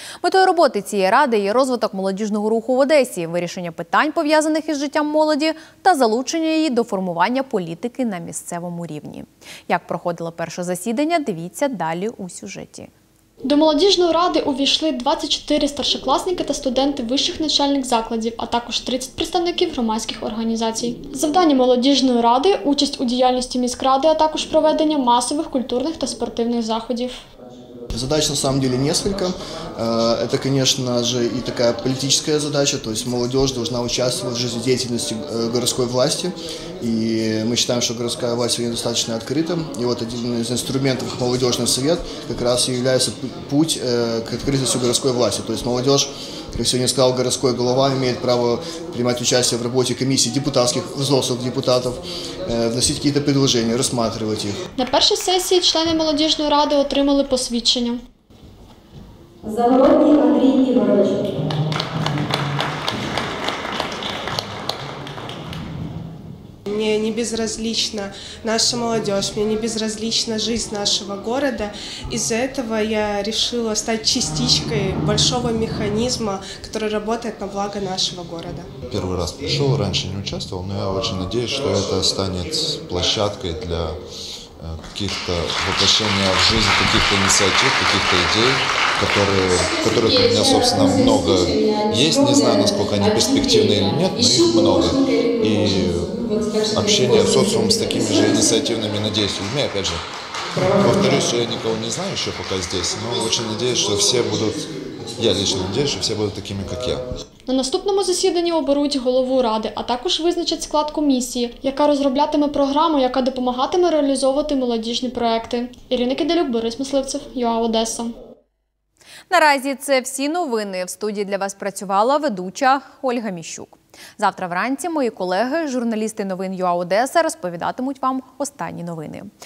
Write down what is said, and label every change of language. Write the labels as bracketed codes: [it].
[uk] Метою роботи цієї ради є розвиток молодіжного руху в Одесі, вирішення питань, пов'язаних із життям молоді, та залучення її до формування політики на місцевому рівні. Як проходила перша засідання, дивіться далі у сюжеті. До молодіжної ради увійшли 24 старшокласники та студенти вищих навчальних закладів, а також 30 представників громадських організацій. Завдання молодіжної ради – участь у діяльності міськради, а також проведення масових культурних та спортивних заходів. [ru] Задач на самом деле несколько. Это, конечно же, и такая политическая задача, то есть молодежь должна участвовать в жизнедеятельности городской власти. И мы считаем, что городская власть сегодня достаточно открыта. И вот один из инструментов молодежный совет как раз и является путь к открытости городской власти. То есть молодежь, как сегодня сказал городской глава, имеет право принимать участие в работе комиссии депутатских взрослых депутатов, вносить какие-то предложения, рассматривать их. На первой сессии члены молодежной рады [uk] отримали посвідчення. Загородній Андрій Ігорович. [ru] Мне не безразлична наша молодежь, мне не безразлична жизнь нашего города. Из-за этого я решила стать частичкой большого механизма, который работает на благо нашего города. Первый раз пришел, раньше не участвовал, но я очень надеюсь, что это станет площадкой для каких-то воплощения в жизнь каких-то инициатив, каких-то идей, которых у меня, собственно, много есть. Не знаю, насколько они перспективны или нет, но их много. И общение в социуме с такими же инициативными, надеюсь, людьми, опять же. Повторюсь, что я никого не знаю еще пока здесь, но очень надеюсь, что все будут, я лично надеюсь, что все будут такими, как я. [uk] На наступному засіданні оберуть голову ради, а також визначать склад комісії, яка розроблятиме програму, яка допомагатиме реалізовувати молодіжні проекти. Ірина Киделюк, Борис Мисливцев, ЮА Одеса. Наразі це всі новини. В студії для вас працювала ведуча Ольга Міщук. Завтра вранці мої колеги, журналісти новин ЮА Одеса, розповідатимуть вам останні новини.